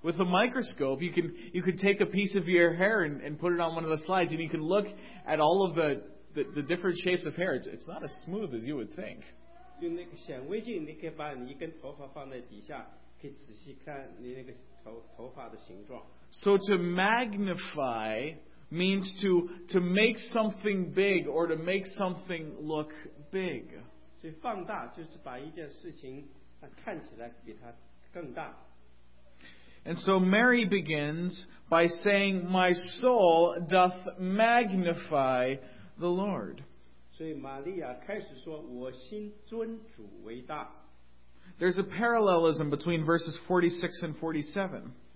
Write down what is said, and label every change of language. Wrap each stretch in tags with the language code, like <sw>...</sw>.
<en>With a microscope, you could take a piece of your hair and put it on one of the slides, and you can look at all of the different shapes of hair. It's not as smooth as you would think.</en> <zh>用那个显微镜，你可以把你一根头发放在底下，可以仔细看你那个头发的形状。</zh> <en>So to magnify means to make something big or to make something look big.</en> <zh>所以放大就是把一件事情看起来比它更大。</zh> <en>And so Mary begins by saying, "My soul doth magnify the Lord."</en> <zh>所以玛利亚开始说，我心尊主为大。</zh> <en>There's a parallelism between verses 46 and 47.</en>